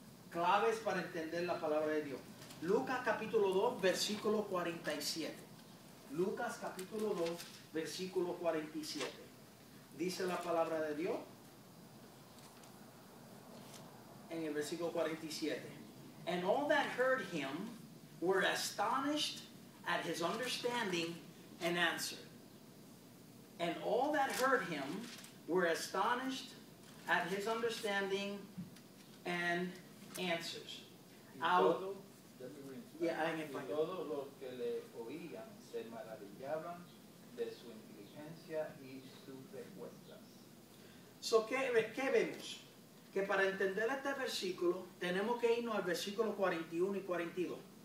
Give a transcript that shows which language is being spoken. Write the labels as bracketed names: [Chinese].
[Spanish] Claves para entender la palabra de Dios. Lucas capítulo 2, versículo 47. Lucas capítulo 2, versículo 47. Dice la palabra de Dios en el versículo 47. [English] And all that heard him were astonished at his understanding and answer. And all that heard him were astonished at his understanding and answers. [Spanish] Y todos los que le oían se maravillaban de su inteligencia y sus respuestas. So, ¿qué vemos? Que para entender este versículo, tenemos que irnos al versículo 41 y 42.